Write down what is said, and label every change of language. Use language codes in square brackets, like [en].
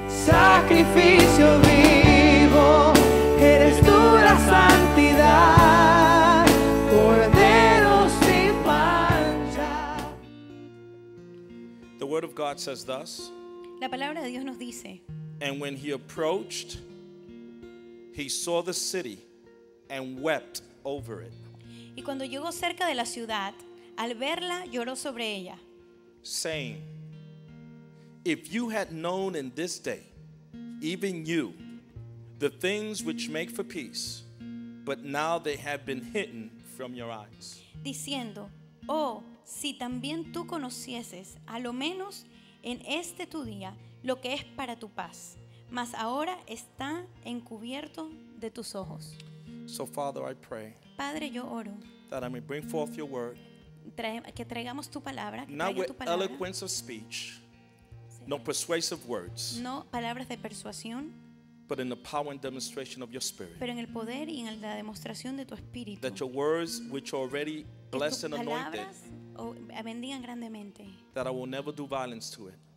[es] sacrificio vivo, eres tú la santidad, Cordero sin mancha. [en] The word of God says thus. [es] La palabra de Dios nos dice. [en] And when he approached, he saw the city and wept over it. [es] Y cuando llegó cerca de la ciudad, al verla lloró sobre ella. [en] Saying, if you had known in this day, even you, the things which make for peace, but now they have been hidden from your eyes. [es] Diciendo, oh, si también tú conocieses, a lo menos en este tu día, lo que es para tu paz, mas ahora está encubierto de tus ojos. [en] So Father, I pray. [es] Padre, yo oro. [en] That I may bring forth your word. [es] Que traigamos tu palabra. [en] Not with eloquence of speech. No persuasive words. [es] No palabras de persuasión. [en] But in the power and demonstration of your spirit. [es] Pero en el poder y en la demostración de tu espíritu. [en] That your words, which are already blessed and anointed, [es] bendigan grandemente. [en] That I will never do violence to it.